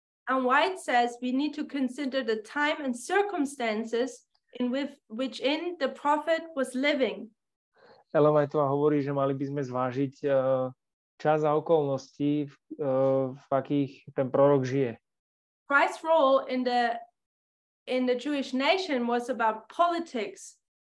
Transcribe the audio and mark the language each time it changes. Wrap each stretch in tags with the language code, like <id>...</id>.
<en>And White says we need to consider the time and circumstances in which in the prophet was living.</en> <sk>Ellen White hovorí, že mali by sme zvážiť čas a okolnosti, v akých ten prorok žije.</sk> <en>Christ's role in the Jewish nation was about politics.</en>